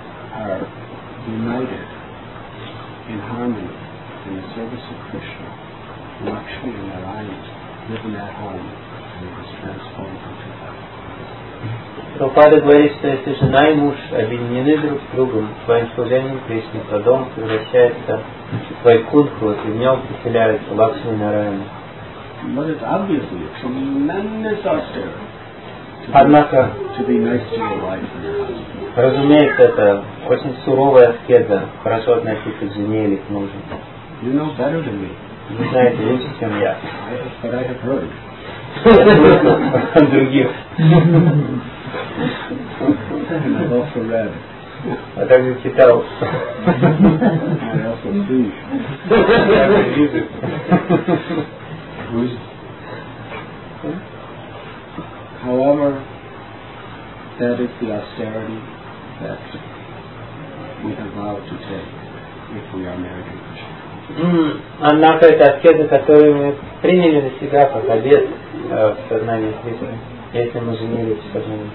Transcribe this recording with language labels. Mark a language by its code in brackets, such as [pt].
[en] Are united in harmony in the service of Krishna, Lakshmi and Narayana live in that home and it was transformed into that. [ru] Prabhupada говорит, что если жена и муж объединены друг с другом своим служением Кришне, то дом превращается в Вайкунтху и в нем поселяется Лакшми и Нараяна. [en] But it's obviously a tremendous austerity. [ru] Однако, [en] to be nice to your wife and husband. [ru] Разумеется, это очень суровая аскеза, хорошо относиться к жене или к мужу. [en] You know better than me. [ru] Вы знаете лучше, чем я. [en] But I have heard. [ru] Других. [en] And I've also read. [ru] А также читал. [en] And I also speak. Who's However, that is the austerity that we have vowed to take if we are married in Krishna. [ru] Однако это аскеза, которую мы приняли на себя как обет в сознании Кришны, если мы женились в сознании